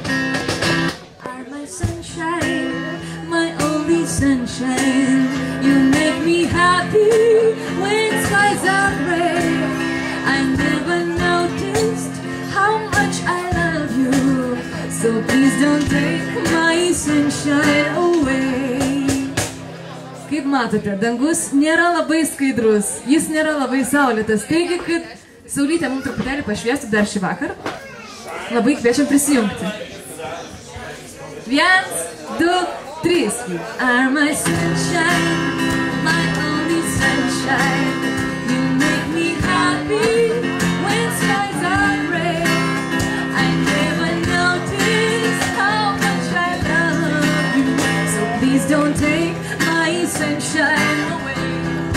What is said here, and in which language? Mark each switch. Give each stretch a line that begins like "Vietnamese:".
English: You are my sunshine, my only sunshine. You make me happy when skies are gray. I never noticed how much I love you. So please don't take my sunshine away.
Lithuanian: Kaip matote, dangus nėra labai skaidrus. Jis nėra labai saulėtas. Taigi, kad Saulytė mums truputėlį pašviestų dar šį vakarą, labai kviečiam prisijungti. Viens, du, trys.
English: You are my sunshine, my only sunshine. You make me happy when skies are gray. I never noticed how much I love you. So please don't take my sunshine away.